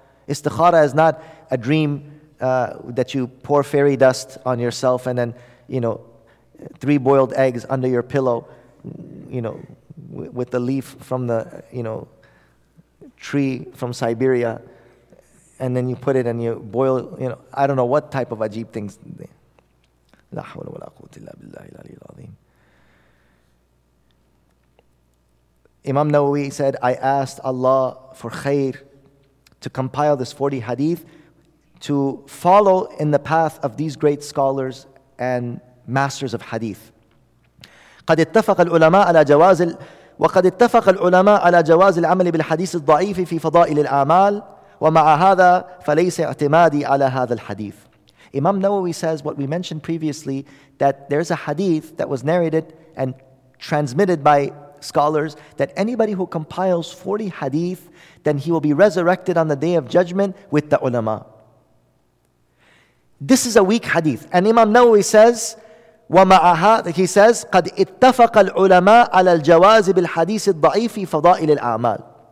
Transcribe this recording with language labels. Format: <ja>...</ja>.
<en>Istikhara is not a dream that you pour fairy dust on yourself and then, you know, three boiled eggs under your pillow, you know, with the leaf from the, you know, tree from Siberia, and then you put it and you boil, you know, I don't know what type of ajeeb things.</en> <ar>لا حول ولا قوة إلا بالله العلي العظيم.</ar> <en>Imam Nawawi said, I asked Allah for khair to compile this 40 hadith to follow in the path of these great scholars and masters of hadith.</en> <ar>قد اتفق العلماء على جواز وقد اتفق العلماء على جواز العمل بالحديث الضعيف في فضائل الأعمال ومع هذا فليس اعتمادي على هذا الحديث.</ar> <en>Imam Nawawi says what we mentioned previously, that there's a hadith that was narrated and transmitted by scholars that anybody who compiles 40 hadith, then he will be resurrected on the day of judgment with the ulama. This is a weak hadith. And Imam Nawawi says, he says,</en> <ar>قَدْ اتَّفَقَ الْعُلَمَاءَ عَلَى الْجَوَازِ بِالْحَدِيثِ الضَّعِيفِ فَضَائِلِ الْأَعْمَالِ.</ar>